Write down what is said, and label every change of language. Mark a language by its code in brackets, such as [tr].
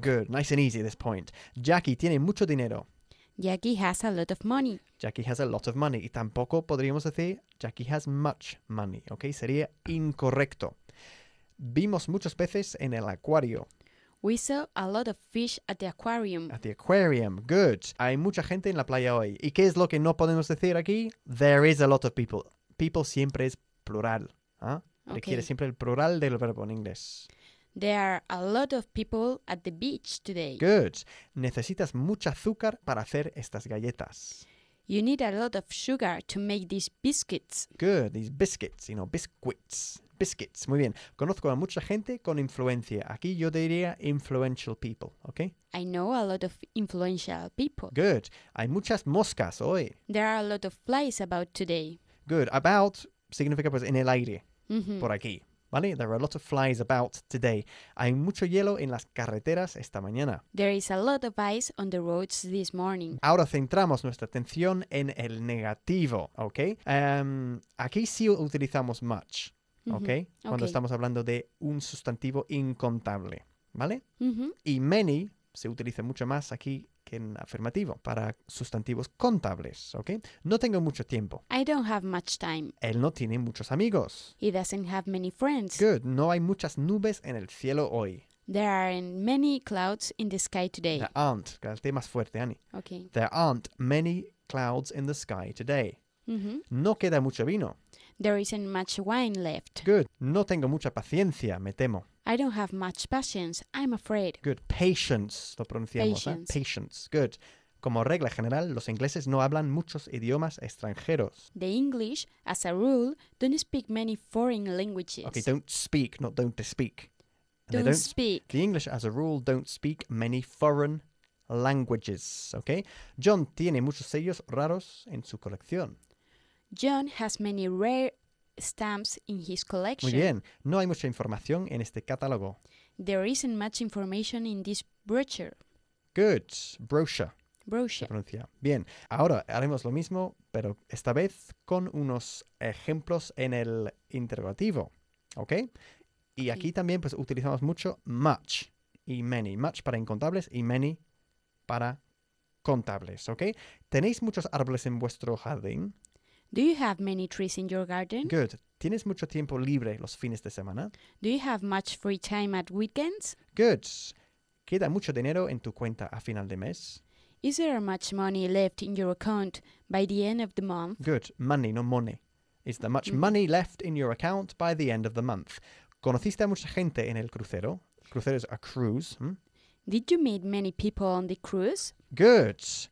[en] Good, nice and easy at this point. Jackie [es] tiene mucho dinero. [en] Jackie has a lot of money. Jackie has a lot of money. [es] Y tampoco podríamos decir [en] Jackie has much money, ¿ok? [es] Sería incorrecto. Vimos muchos peces en el acuario. [en] We saw a lot of fish at the aquarium. At the aquarium, good. [es] Hay mucha gente en la playa hoy. ¿Y qué es lo que no podemos decir aquí? [en] There is a lot of people. [es] People siempre es plural. Requiere siempre el plural del verbo en inglés. [en] There are a lot of people at the beach today. [es] Good. Necesitas mucha azúcar para hacer estas galletas. [en] You need a lot of sugar to make these biscuits. Good. These biscuits, you know, biscuits. Biscuits. [es] Muy bien. Conozco a mucha gente con influencia. Aquí yo diría [en] influential people, [es] ¿ok? [en] I know a lot of influential people. [es] Good. Hay muchas moscas hoy. [en] There are a lot of flies about today. [es] Good. About significa pues en el aire, por aquí, ¿vale? [en] There are a lot of flies about today. [es] Hay mucho hielo en las carreteras esta mañana. [en] There is a lot of ice on the roads this morning. [es] Ahora centramos nuestra atención en el negativo, ¿ok? Aquí sí utilizamos much. Okay? Cuando estamos hablando de un sustantivo incontable, ¿vale? Y many se utiliza mucho más aquí que en afirmativo para sustantivos contables, ¿okay? No tengo mucho tiempo. [en] I don't have much time. [es] Él no tiene muchos amigos. [en] He doesn't have many friends. Good. [es] No hay muchas nubes en el cielo hoy. [en] There aren't many clouds in the sky today. There aren't. [es] Cállate más fuerte, Annie. [en] Okay. There aren't many clouds in the sky today. [es] No queda mucho vino. [en] There isn't much wine left. [es] Good. No tengo mucha paciencia, me temo. [en] I don't have much patience, I'm afraid. [es] Good. Patience, lo pronunciamos. [en] Patience. ¿Eh? Patience, good. [es] Como regla general, los ingleses no hablan muchos idiomas extranjeros. [en] The English, as a rule, don't speak many foreign languages. Okay, don't speak, not don't speak. Don't speak. The English, as a rule, don't speak many foreign languages, okay? [es] John tiene muchos sellos raros en su colección. [en] John has many rare stamps in his collection. [es] Muy bien. No hay mucha información en este catálogo. [en] There isn't much information in this brochure. Good. Brochure. Brochure. [es] Se pronuncia. Bien. Ahora haremos lo mismo, pero esta vez con unos ejemplos en el interrogativo. ¿Ok? Y aquí también pues utilizamos mucho much y many. Much para incontables y many para contables. ¿Ok? ¿Tenéis muchos árboles en vuestro jardín? [en] Do you have many trees in your garden? Good. [es] ¿Tienes mucho tiempo libre los fines de semana? [en] Do you have much free time at weekends? Good. [es] ¿Queda mucho dinero en tu cuenta a final de mes? [en] Is there much money left in your account by the end of the month? Good. Money, no money. Is there much money left in your account by the end of the month? [es] ¿Conociste a mucha gente en el crucero? Crucero [en] is a cruise. Did you meet many people on the cruise? Good.